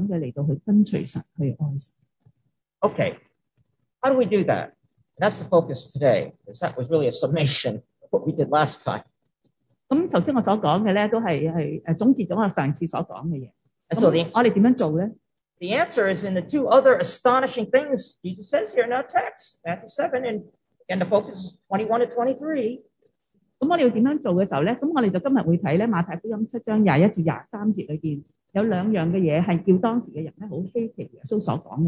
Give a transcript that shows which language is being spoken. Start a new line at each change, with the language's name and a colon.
Chinese: 当他们更多、更多亲身的来到经历到神在他们身上面的爱的时候，他们就越发的是更想的来到去跟随神，去爱神。
English: Okay, how do we do that? That's the focus today, because that was really a summation of what we did last time.
Chinese: 刚才我所说的都是总结了上次所说的东西。我们怎么做呢？
English: The answer is in the two other astonishing things Jesus says here in our text, Matthew 7, and the focus is 21 to 23.